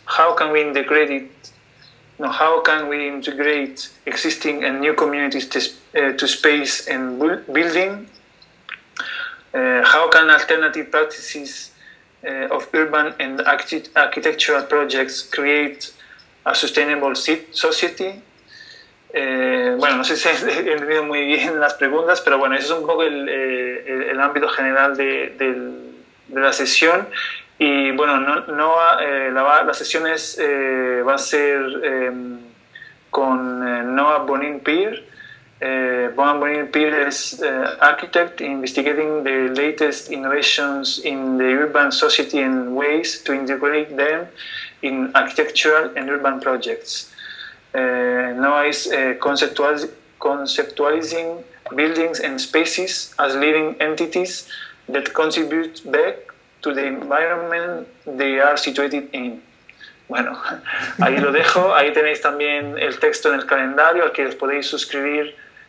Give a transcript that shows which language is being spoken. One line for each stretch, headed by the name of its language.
English: How can we integrate it? No, how can we integrate existing and new communities to space and building? How can alternative practices of urban and architectural projects create a sustainable society?
Spanish: Bueno, no sé si he entendido muy bien las preguntas, pero bueno, ese es un poco el ámbito general de la sesión. Y bueno, la sesión va a ser con Noa Bonin-Pir.
English: Bonin Pir es architect investigating the latest innovations in the urban society and ways to integrate them in architectural and urban projects. Noah is conceptualizing buildings and spaces as living entities that contribute back to the environment they are situated in.
Spanish: Bueno, ahí lo dejo. Ahí tenéis también el texto en el calendario al que os podéis suscribir.